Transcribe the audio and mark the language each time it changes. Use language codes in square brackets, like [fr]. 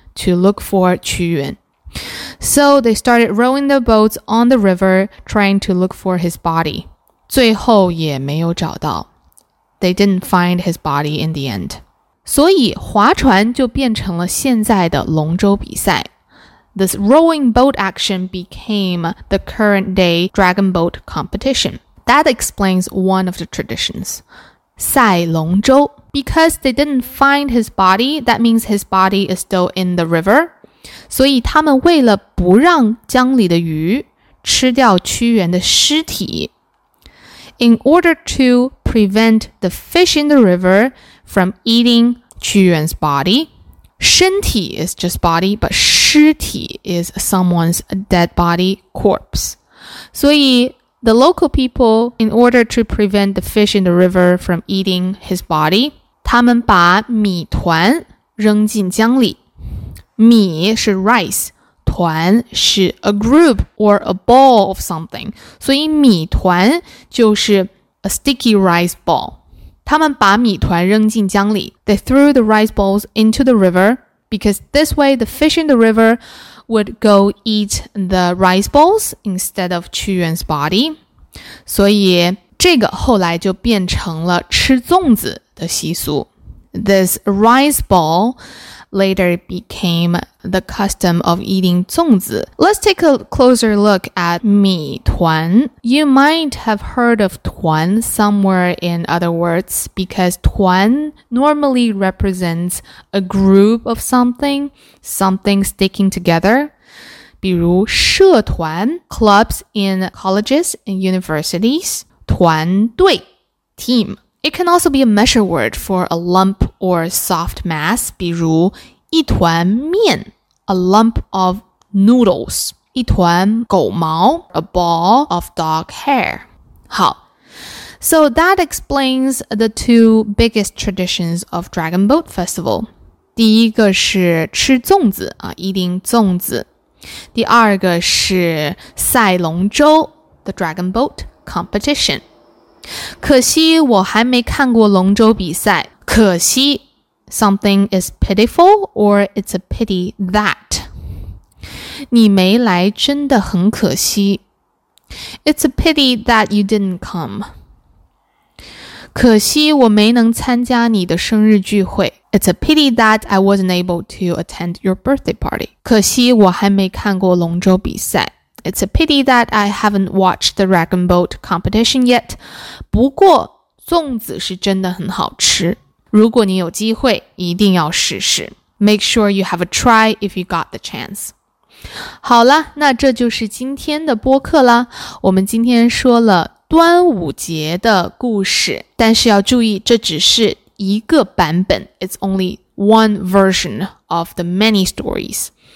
[en] to look for 屈原 So they started rowing the boats on the river trying to look for his body [zh] 最后也没有找到 [en] They didn't find his body in the end [zh] 所以划船就变成了现在的龙舟比赛 [en] This rowing boat action became the current day dragon boat competition That explains one of the traditions [zh] 赛龙舟 [en] Because they didn't find his body, that means his body is still in the river. [zh] 所以他们为了不让江里的鱼吃掉屈原的尸体。 [en] In order to prevent the fish in the river from eating 屈原's body, 身体 is just body, but 尸体 is someone's dead body, corpse. 所以 the local people, in order to prevent the fish in the river from eating his body, [zh] 他们把米团扔进江里。米是 rice, 团是 [en] a group or a ball of something. [zh] 所以米团就是 [en] a sticky rice ball. [zh] 他们把米团扔进江里。 [en] They threw the rice balls into the river because this way the fish in the river would go eat the rice balls instead of 屈原's body. [zh] 所以这个后来就变成了吃粽子。的习俗 [en] This rice ball later became the custom of eating 粽子 Let's take a closer look at 米团 You might have heard of 团 somewhere in other words because 团 normally represents a group of something something sticking together [zh] 比如社团 [en] clubs in colleges and universities [zh] 团队 team [en] It can also be a measure word for a lump or soft mass, [zh] 比如一团面 [en] a lump of noodles, [zh] 一团狗毛 [en] a ball of dog hair. 好。 So that explains the two biggest traditions of Dragon Boat Festival. [zh] 第一个是吃粽子、eating 粽子。第二个是赛龙舟 [en] the Dragon Boat Competition. [zh] 可惜我还没看过龙舟比赛。 [en] 可惜 something is pitiful or it's a pity that. [zh] 你没来真的很可惜。 [en] It's a pity that you didn't come. [zh] 可惜我没能参加你的生日聚会。 [en] It's a pity that I wasn't able to attend your birthday party. [zh] 可惜我还没看过龙舟比赛。 [en] It's a pity that I haven't watched the Dragon Boat competition yet. [zh] 不过粽子是真的很好吃。如果你有机会一定要试试。 [en] Make sure you have a try if you got the chance. [zh] 好了，那这就是今天的播客啦。我们今天说了端午节的故事，但是要注意，这只是一个版本。 [en] It's only one version of the many stories.